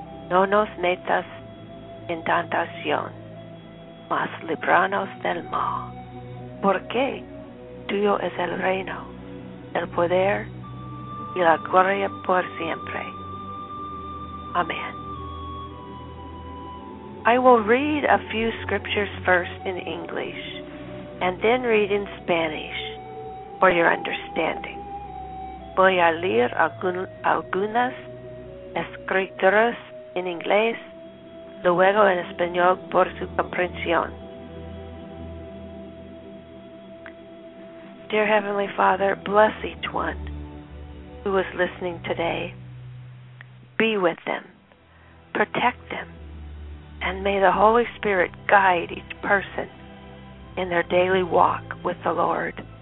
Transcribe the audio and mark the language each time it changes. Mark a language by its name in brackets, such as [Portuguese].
[Spanish] No nos metas en tentación, mas libranos del mal, porque tuyo es el reino, el poder y la gloria por siempre. Amen. [English] I will read a few scriptures first in English and then read in Spanish for your understanding. [Spanish] Voy a leer algunas escrituras en inglés, luego en español por su comprensión. [English] Dear Heavenly Father, bless each one who is listening today be with them, protect them, and may the Holy Spirit guide each person in their daily walk with the Lord.